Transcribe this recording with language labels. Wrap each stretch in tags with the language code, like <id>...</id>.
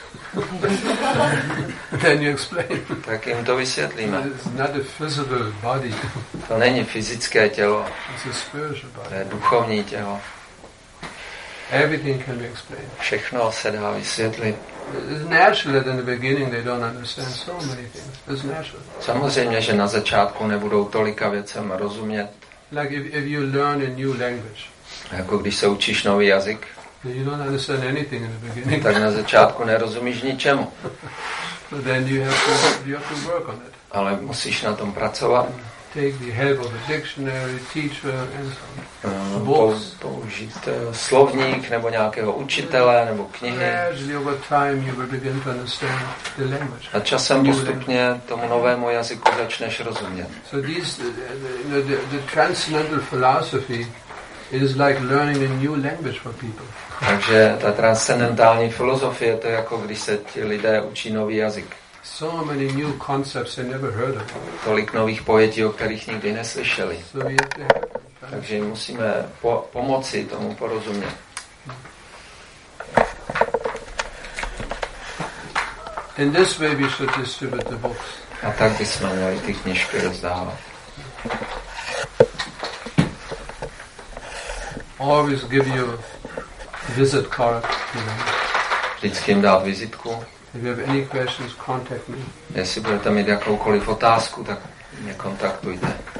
<en>Then you explain.</en> <cs>Tak jim to vysvětlíme.</cs> <en>It's not a physical body.</en> <cs>To není fyzické tělo.</cs> <en>It's a spiritual body.</en> <cs>To je duchovní tělo.</cs> <en>Everything can be explained.</en> <cs>Všechno se dá vysvětlit.</cs> <en>It's natural that in the beginning they don't understand so many things. It's natural.</en> <cs>Samozřejmě, že na začátku nebudou tolika věcem rozumět.</cs> <en>Like if you learn a new language.</en> <cs>Jako když se učíš nový jazyk.</cs> <en>You don't understand anything in the beginning.</en> <cs>Tak na začátku nerozumíš ničemu.</cs> <en>But then you have to work on it.</en> <cs>Ale musíš na tom pracovat.</cs> <en>Take the help of a dictionary, teacher, and books.</en> <cs>Použít slovník nebo nějakého učitele nebo knihy.</cs> <en>Gradually over time you will begin to understand the language.</en> <cs>A časem postupně tomu novému jazyku začneš rozumět.</cs> <en>So the transcendental philosophy is like learning a new language for people.</en> <cs>Takže ta transcendentální filozofie, to je jako když se ti lidé učí nový jazyk.</cs> <en>So many new concepts they never heard of.</en> <cs>Tolik nových pojetí, o kterých nikdy neslyšeli.</cs> <en>So we have to help.</en> <cs>Takže musíme pomoci tomu porozumět.</cs> <en>In this way we should distribute the books.</en> <cs>A tak bychom měli ty knižky rozdávat.</cs> <en>Always give you visit card, you know.</en> <cs>Vždycky jim dát vizitku.</cs> <en>If you have any questions, contact me.</en> <cs>Jestli budete mít jakoukoliv otázku, tak mě kontaktujte.</cs>